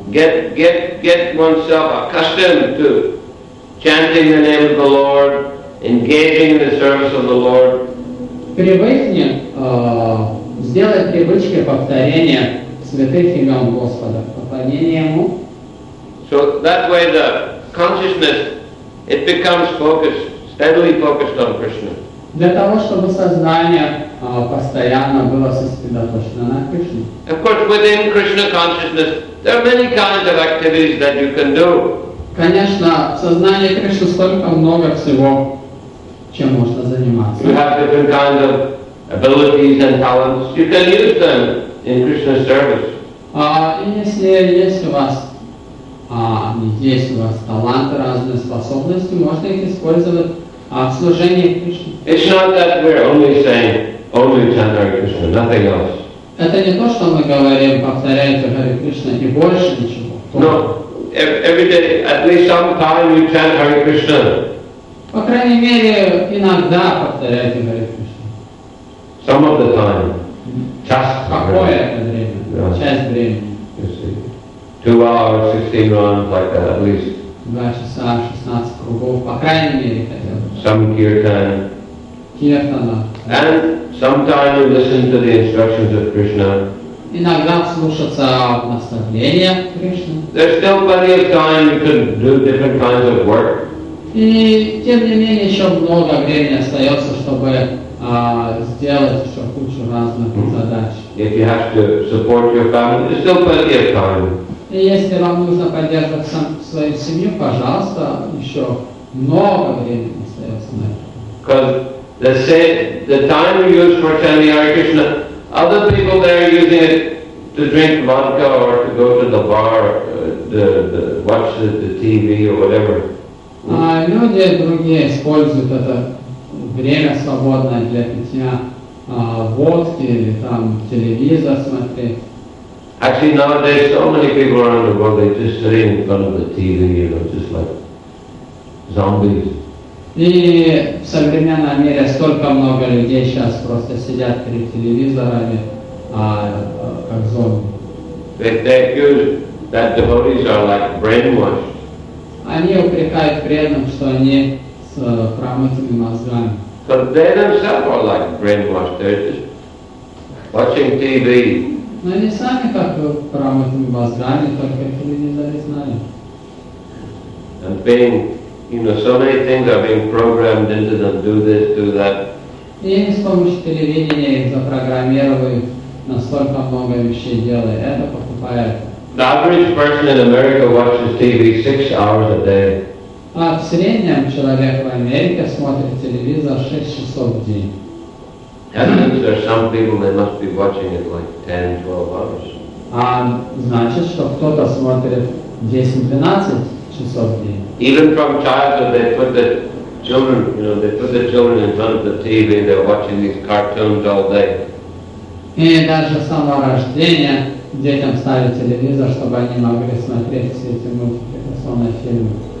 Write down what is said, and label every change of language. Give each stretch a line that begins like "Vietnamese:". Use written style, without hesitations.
English: Get oneself accustomed to chanting the name of the Lord, engaging in the service of the Lord.
Russian: Привыкнет, сделать привычкой повторения святых имен Господа, поклонение Ему.
English: So that way the consciousness, it becomes focused, steadily focused on Krishna.
Russian: Для того, чтобы сознание постоянно было сосредоточено на Кришне.
English: Of course, within Krishna consciousness, there are many kinds of activities that you can do.
Russian: Конечно, в сознании Кришны столько много всего, чем можно заниматься.
English: You have different kinds of abilities and talents. You can use them in Krishna's service.
Russian: И если есть у вас таланты, разные способности, можно их использовать в служении Кришне.
English: It's not that we're only saying only chant Hare Krishna, nothing else.
Russian: Это не то, что мы говорим, повторяйте Hare Krishna и больше ничего.
English: No, every day, at least some time you chant Hare Krishna.
Russian: По крайней мере, иногда повторяйте Hare Krishna.
English: Some of the time. Just
Russian: какое это время? No. Часть времени.
English: You see. 2 hours, 16 rounds, like that, at least.
Russian: 2 часа, 16 кругов, по крайней мере, хотя бы.
English: Some kirtan.
Russian: Kirtana.
English: And sometime you listen to the instructions of Krishna.
Russian: Иногда слушаться наставления Кришны.
English: There's still plenty of time you can do different kinds of work.
Russian: И тем не менее еще много времени остается, чтобы сделать еще кучу разных задач.
English: If you have to support your family, there's still plenty of time.
Russian: И если вам нужно поддерживать свою семью, пожалуйста, еще много времени остается на это.
English: Because the time you use for chanting Hare Krishna, other people there are using it to drink vodka or to go to the bar, watch the TV or whatever.
Russian: Люди другие используют это время свободное для питья водки или там телевизор смотреть.
English: Actually, nowadays, so many people around the world, they just sit in front of the TV, you know, just like zombies.
Russian: И в современном мире столько много людей сейчас просто сидят перед телевизорами, как зомби.
English: They accuse that devotees are like brainwashed.
Russian: Они упрекают преданных, что они с промытыми мозгами.
English: But they themselves are like brainwashed. They're just watching TV.
Russian: Но они сами как бы промытыми мозгами, только телевизоры знают.
English: And being you know, so many things are being programmed into them, do this, do that. The average person in America watches TV 6 hours a day.
Russian: А в среднем человек в Америке смотрит телевизор 6 часов в день.
English: That means there are some people they must be watching it like 10-12 hours.
Russian: А значит, что кто-то смотрит 10-12 часов в день.
English: Even from childhood they put the children, you know, they put the children in front of the TV and they're watching these cartoons all day.
Russian: И даже с самого рождения детям ставят телевизор, чтобы они могли смотреть все эти мультипликационные фильмы.